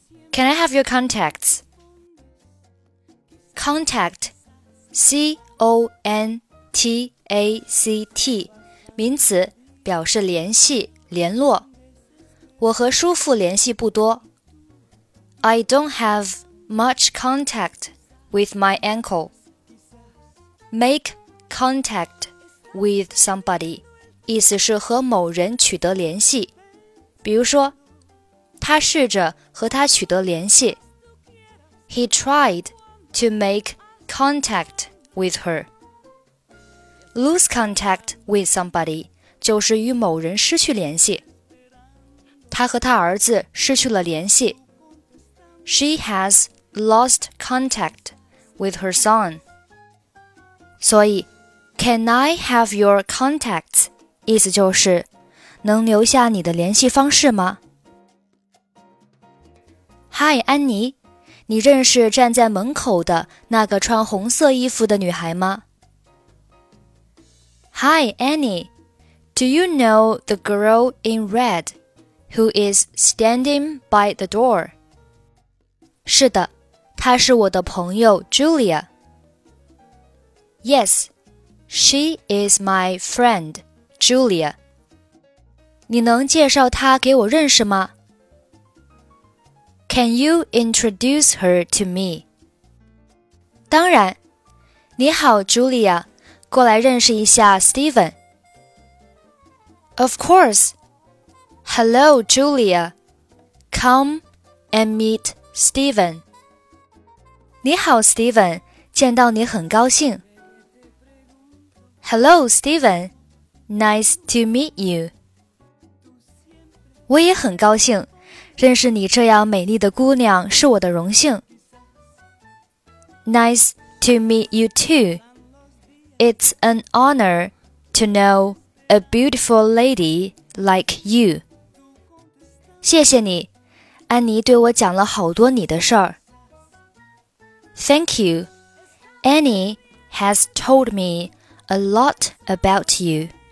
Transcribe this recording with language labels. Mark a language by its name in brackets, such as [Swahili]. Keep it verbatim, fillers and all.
[English] Can I have your contacts? Contact, C O N T A C T, [Chinese] 名词表示联系、联络。我和叔父联系不多。 [English] I don't have much contact with my uncle. Make contact with somebody. [Chinese] 意思是和某人取得联系。比如说，他试着和他取得联系。 [English] He tried to make contact with her. Lose contact with somebody. [Chinese] 就是与某人失去联系。他和他儿子失去了联系。 [English] She has lost contact with her son. 所以 Can I have your contacts? [Chinese] 意思就是能留下你的联系方式吗？嗨，安妮，你认识站在门口的那个穿红色衣服的女孩吗？嗨，安妮。 [English] Do you know the girl in red who is standing by the door? [Chinese] 是的，她是我的朋友 Julia. [English] Yes, she is my friend, Julia. [Chinese] 你能介绍她给我认识吗？ [English] Can you introduce her to me? [Chinese] 当然。你好 Julia, 过来认识一下 Steven. [English] Of course. Hello, Julia. Come and meet Steven. [Chinese] 你好 Steven, 见到你很高兴。 [English] Hello, Steven. Nice to meet you. [Chinese] 我也很高兴，认识你这样美丽的姑娘是我的荣幸。 [English] Nice to meet you too. It's an honor to know a beautiful lady like you. [Chinese] 谢谢你，安妮对我讲了好多你的事儿。 [English] Thank you. Annie has told me a lot about you.